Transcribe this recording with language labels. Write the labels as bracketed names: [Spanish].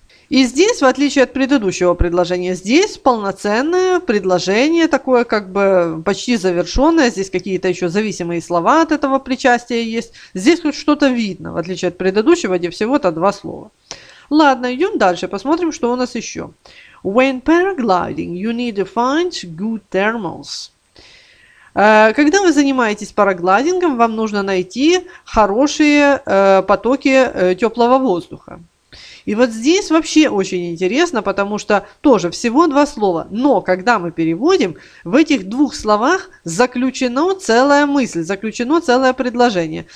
[Russian] И здесь, в отличие от предыдущего предложения, здесь полноценное предложение, такое как бы почти завершенное. Здесь какие-то еще зависимые слова от этого причастия есть. Здесь хоть что-то видно, в отличие от предыдущего, где всего-то два слова. Ладно, идем дальше, посмотрим, что у нас еще. [English] When paragliding, you need to find good thermals. [Russian] Когда вы занимаетесь параглайдингом, вам нужно найти хорошие потоки теплого воздуха. И вот здесь вообще очень интересно, потому что тоже всего два слова. Но когда мы переводим, в этих двух словах заключена целая мысль, заключено целое предложение.